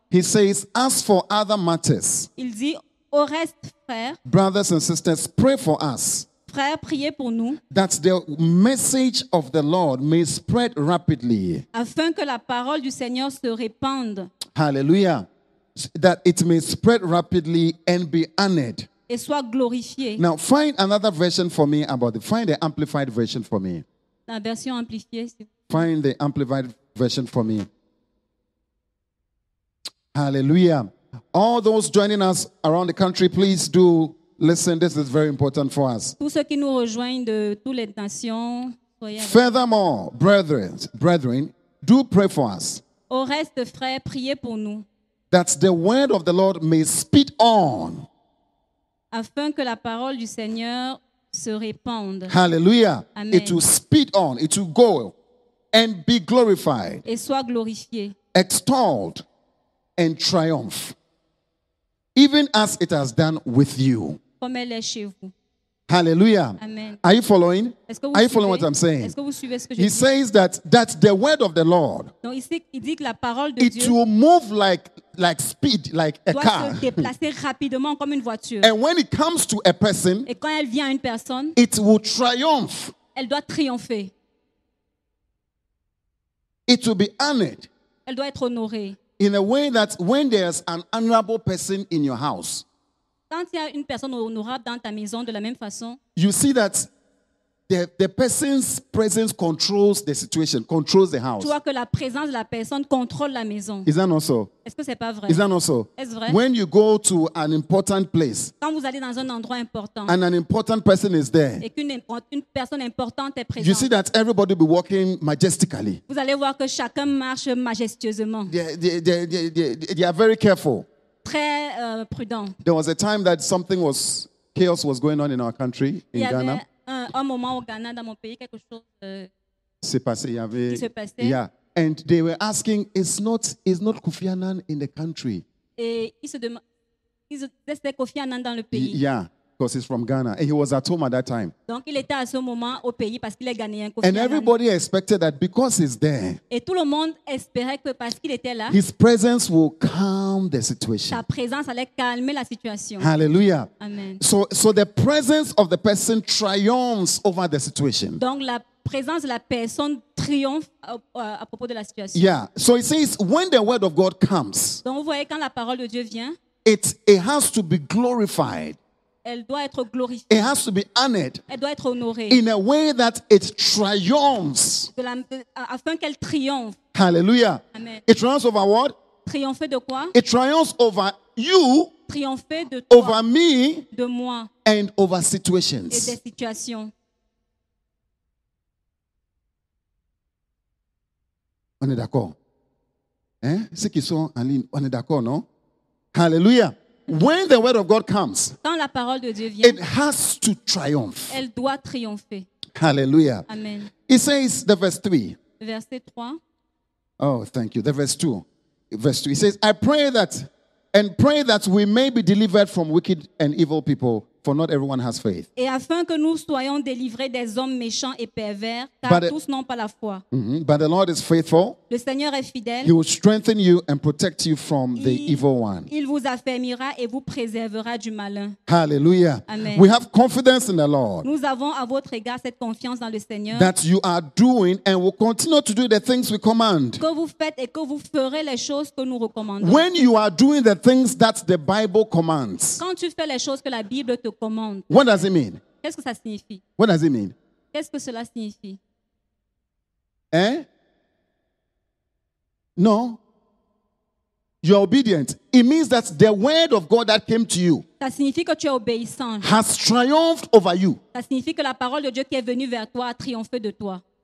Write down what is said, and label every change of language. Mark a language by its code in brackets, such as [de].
[en] He says, as for other matters. [fr] Il dit, au reste, frères. [en] Brothers and sisters, pray for us. [fr] Frères, priez pour nous. [en] That the message of the Lord may spread rapidly. [fr] Afin que la parole du Seigneur se répande. [en] Hallelujah. That it may spread rapidly and be honored. [fr] et soit glorifié. [en] Now find another version for me about it. Find the amplified version for me. [fr] La version amplifiée. [en] Find the amplified version for me. Hallelujah. All those joining us around the country, please do listen. This is very important for us. [fr] Tous ceux qui nous rejoignent de toutes les nations, soyez. [en] Furthermore, brethren, do pray for us. [fr] Au reste, frères, priez pour nous. [en] That the word of the Lord may speed on. [fr] Afin que la parole du Seigneur se répande. [en] Hallelujah. Amen. It will speed on. It will go and be glorified. [fr] Et soit glorifié. [en] Extolled and triumph. Even as it has done with you. [fr] Comme elle est chez vous. [en] Hallelujah. Amen. Are you following? [fr] Est-ce que vous [en] Are you following what I'm saying? [fr] Est-ce que vous suivez ce que [en] he [fr] je [en] says [fr] dis? [en] that the word of the Lord, [fr] donc, il dit que la parole de [en] it [fr] Dieu [en] will move like speed, like a car. [fr] Doit se déplacer rapidement comme une voiture. [en] And when it comes to a person, [fr] et quand elle vient à une personne, [en] it will triumph. [fr] Elle doit triompher. [en] It will be honored. [fr] Elle doit être honorée. [en] In a way that when there's an honorable person in your house, [fr] quand il y a une personne honorable dans ta maison, de la même façon, [en] you see that the person's presence controls the situation, controls the house. [fr] Tu vois que la présence de la personne contrôle la maison. [en] Is that not so? [fr] Est-ce que c'est pas vrai? [en] Is that not so? [fr] Est-ce vrai? [en] When you go to an important place, [fr] quand vous allez dans un endroit important, [en] and an important person is there, [fr] et qu'une personne importante est présente, [en] you see that everybody will be walking majestically. [fr] Vous allez voir que chacun marche majestueusement. [en] They are very careful. [fr] Très prudent. [en] There was a time that something was chaos was going on in our country, in Ghana. [fr] Un moment au Ghana, dans mon pays, quelque chose s'est passé. Il y avait, qui se passait. [en] Yeah, and they were asking, is not Kofi Annan in the country? [fr] Et ils se demandaient Kofi Annan dans le pays. [en] Yeah, because he's from Ghana, and he was at home at that time. [fr] Donc il était à ce moment au pays parce qu'il est Ghanéen. [en] Kofi and Annan. Everybody expected that because he's there. [fr] Et tout le monde espérait que parce qu'il était là, [en] his presence will calm the situation. [fr] Sa présence allait calmer la situation. [en] Hallelujah. Amen. So the presence of the person triumphs over the situation. [fr] Donc la présence de la personne triomphe à propos de la situation. [en] Yeah. So it says when the word of God comes. [fr] Donc vous voyez quand la parole de Dieu vient. [en] It has to be glorified. [fr] Elle doit être glorifiée. [en] It has to be honored. [fr] Elle doit être honorée. [en] In a way that it triumphs. [fr] Afin qu'elle triomphe. [en] Hallelujah. Amen. It triumphs over what? [fr] Triompher de quoi? [en] It triumphs over you. [fr] Triompher de toi. [en] Over me. [fr] De moi. [en] And over situations. [fr] Et des situations. On est d'accord? Hein? Ceux qui sont en ligne, on est d'accord, non? [en] Hallelujah. When the word of God comes, [fr] quand la parole de Dieu vient, [en] it has to triumph. [fr] Elle doit triompher. [en] Hallelujah. Amen. It says the verse 3. [fr] Verset 3. [en] Oh, thank you. The verse 2. Verse 2. It says, I pray that and pray that we may be delivered from wicked and evil people, for not everyone has faith. [fr] Et afin que nous soyons délivrés des hommes méchants et pervers, car tous n'ont pas la foi. Mm-hmm. [en] But the Lord is faithful. [fr] Le Seigneur est fidèle. [en] He will strengthen you and protect you from the evil one. [fr] Il vous affermira et vous préservera du malin. [en] Hallelujah. Amen. We have confidence in the Lord. [fr] Nous avons à votre égard cette confiance dans le Seigneur. [en] That you are doing and will continue to do the things we command. [fr] Que vous faites et que vous ferez les choses que nous recommandons. [en] When you are doing the things that the Bible commands. [fr] Quand tu fais les choses que la Bible te commande. [en] What does it mean? [fr] Qu'est-ce que ça signifie? [en] What does it mean? [fr] Qu'est-ce que cela signifie? Hein? [en] No, you are obedient. It means that the word of God that came to you, [fr] ça signifie que tu es obéissant, has triumphed over you. Ça signifie que la parole de Dieu qui est venue vers toi a triomphé de toi.